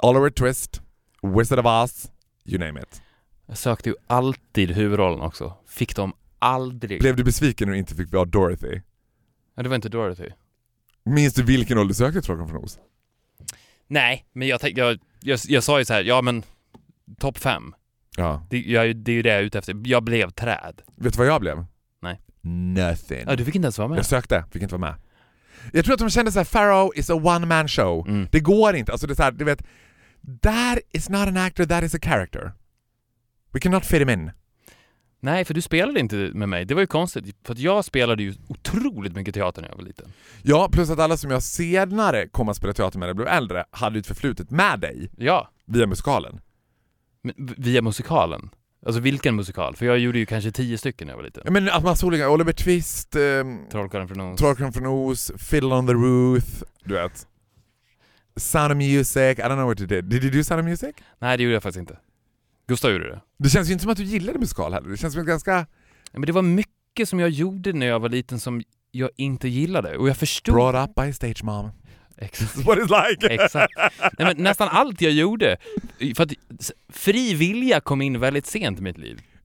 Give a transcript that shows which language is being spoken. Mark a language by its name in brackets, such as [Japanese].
[English] Oliver Twist, Wizard of Oz, you name it. [Swedish] Jag sökte ju alltid huvudrollen också. Fick de aldrig. Blev du besviken när du inte fick vara Dorothy? Ja, det var inte Dorothy. Minns du vilken roll du sökte, tror jag, från oss? Nej, men jag sa ju så här, ja men topp 5. Ja. Det är ju det jag är ute efter. Jag blev träd. Vet du vad jag blev? Nej. [English] Nothing. [Swedish] Ja, du fick inte ens vara med. Jag sökte, fick inte vara med. Jag tror att de kände såhär, [English] Pharaoh is a one man show. [Swedish] Mm. Det går inte. Alltså det är såhär, du vet, [English] that is not an actor, that is a character. We cannot fit him in. [Swedish] Nej, för du spelade inte med mig. Det var ju konstigt. För att jag spelade ju otroligt mycket teater när jag var liten. Ja, plus att alla som jag senare kom att spela teater med när jag blev äldre hade ju ett förflutet med dig. Ja. Via musikalen. Via musikalen? Alltså vilken musikal? För jag gjorde ju kanske 10 stycken när jag var liten. Ja, men att man såg Oliver Twist, Trollkaren från Oz, Fiddle on the Roof, du vet. [English] Sound of Music, I don't know what you did. Did you do Sound of Music? [Swedish] Nej, det gjorde jag faktiskt inte. Gustav gjorde det. Det känns ju inte som att du gillade musikal heller. Det känns väl ganska... Ja, men det var mycket som jag gjorde när jag var liten som jag inte gillade. Och jag förstod... [English] Brought up by stage mom. [Swedish] Exakt. [English] What it's like. [Swedish] Exakt. Nej, men nästan allt jag gjorde, för att fri vilja kom in väldigt sent i mitt liv.